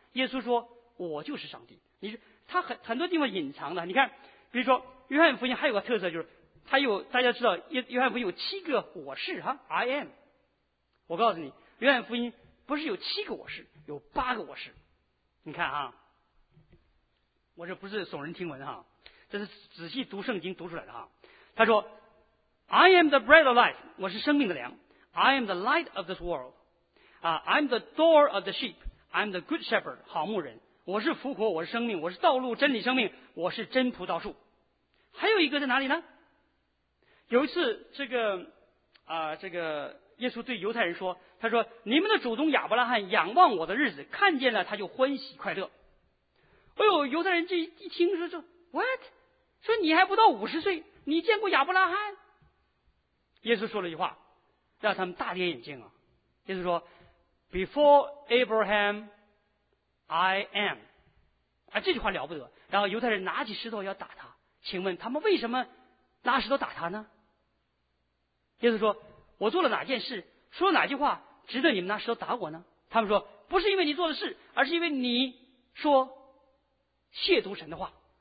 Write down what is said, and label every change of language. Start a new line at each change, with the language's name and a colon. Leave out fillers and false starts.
Chinese: 耶稣说，我就是上帝。你说他很多地方隐藏的，你看，比如说约翰福音还有个特色，就是他有，大家知道约翰福音有七个我是哈 ，
English: I am。
Chinese: 我告诉你，约翰福音不是有七个我是，有八个我是。你看啊，我这不是耸人听闻哈，这是仔细读圣经读出来的哈。
English: 他说 ，I am the bread of life，
Chinese: 我是生命的粮
English: ；I am the light of this world， 啊 ，I am the door of the sheep，I am the good shepherd，
Chinese: 好牧人。我是福活，我是生命，我是道路、真理、生命，我是真葡萄树。还有一个在哪里呢？有一次，这个耶稣对犹太人说，他说：“你们的祖宗亚伯拉罕仰望我的日子，看见了他就欢喜快乐。” 哎呦，犹太人这一听说 what？ 说你还不到五十岁，你见过亚伯拉罕？耶稣说了一句话，让他们大跌眼镜啊！耶稣说 ：
English: “Before Abraham。” I am，
Chinese: 啊，这句话了不得。然后犹太人拿起石头要打他，请问他们为什么拿石头打他呢？耶稣说：“我做了哪件事，说了哪句话，值得你们拿石头打我呢？” 他们说：“不是因为你做的事，而是因为你说亵渎神的话。